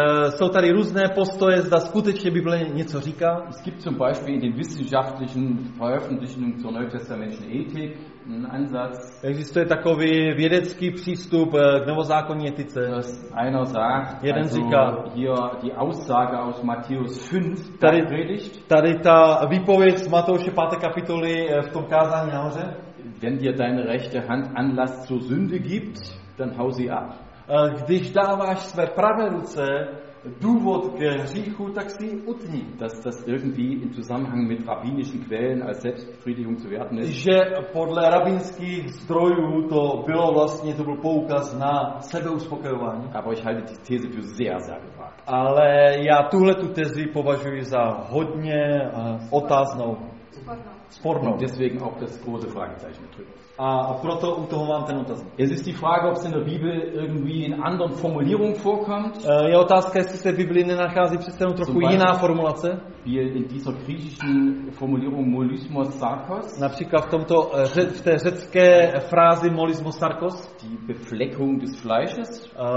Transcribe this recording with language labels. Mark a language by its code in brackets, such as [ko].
[cs] Jsou tady různé postoje, zda skutečně Bible něco říká. [de] Es gibt zum Beispiel in den wissenschaftlichen Veröffentlichungen zur neutestamentlichen Ethik einen Ansatz. [cs] Existuje takový vědecký přístup k novozákonní etice. [de] Einer sagt, [cs] jeden [de] also [cs] říká, [de] hier die Aussage aus Matthäus 5, [cs] tady ta výpověď z Matouše 5. kapitoly v tom kázání nahoře. [de] Wenn dir deine rechte Hand Anlass zur Sünde gibt, dann hau sie ab. [cs] Když dáváš své pravé ruce důvod k hříchu, tak si utni. [de] Das irgendwie im Zusammenhang mit rabbinischen Quellen als Selbstbefriedigung zu werten ist. [cs] Že podle rabbinských zdrojů to byl poukaz na sebeuspokojování. [de] Aber ich halte die These für sehr, sehr gewagt. [cs] Ale já tuhle tu tezi považuji za hodně otáznou. Sporno. [de] Deswegen auch das große Fragezeichen drüber. [cs] A proto u toho mám ten otazník. [de] Es ist die Frage, ob es in der Bibel irgendwie in anderen Formulierungen vorkommt. [cs] Je otázka, jestli se v Biblii nenachází přece jenom trochu jiná formulace. [de] Wie in dieser griechischen Formulierung molismos sarkos. [cs] Například v té řecké frázi molismos sarkos. [de] Die Befleckung des Fleisches.